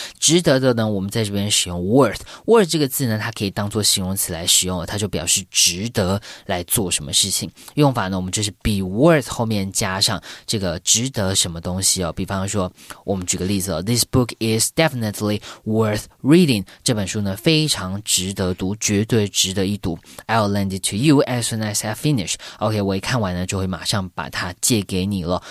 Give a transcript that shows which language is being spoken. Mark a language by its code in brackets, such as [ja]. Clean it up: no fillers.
[zh] 值得的呢我们在这边使用 worth。worth 这个字呢它可以当作形容词来使用，它就表示值得来做什么事情。用法呢我们就是 be worth 后面加上这个值得什么东西哦。比方说我们举个例子哦， [en] This book is definitely worth reading. [zh] 这本书呢非常值得读，绝对值得一读。 [en] I'll lend it to you as soon as I finish. [zh] OK, 我一看完呢就会马上把它借给你了。